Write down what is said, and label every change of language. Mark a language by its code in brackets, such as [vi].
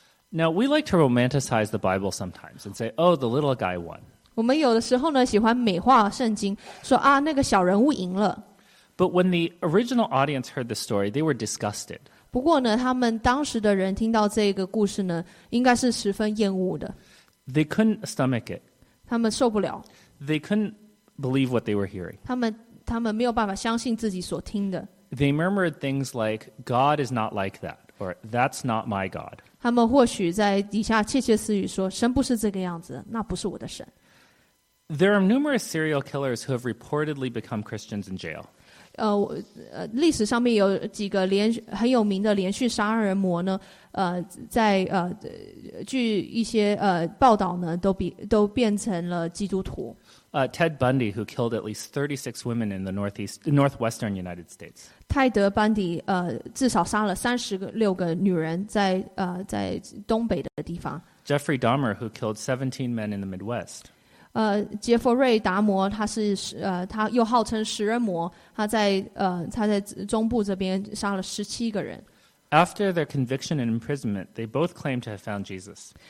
[en] Now we like to romanticize the Bible sometimes and say, oh, the little guy won. [zh] 我们有的时候呢喜欢美化圣经说啊那个小人物赢了。 [en] But when the original audience heard the story, they were disgusted. [zh] 不过呢他们当时的人听到这个故事呢应该是十分厌恶的。 [en] They couldn't stomach it. [zh] 他们受不了。 [en] They couldn't believe what they were hearing. [zh] 他们没有办法相信自己所听的。 [en] They murmured things like, God is not like that, or that's not my God. [zh] 他们或许在底下窃窃私语说神不是这个样子那不是我的神。 [en] There are numerous serial killers who have reportedly become Christians in jail. [zh] 历史上面有几个很有名的连续杀人魔呢，在据一些报道呢，都变成了基督徒。 [en] Ted Bundy, who killed at least 36 women in the northwestern United States. [zh] 泰德·班迪，至少杀了36个女人在东北的地方。 [en] Jeffrey Dahmer, who killed 17 men in the Midwest. [zh] 杰佛瑞达摩他是他又号称食人魔他在中部这边杀了17个人。 [en] After their conviction and imprisonment, they both claimed to have found Jesus.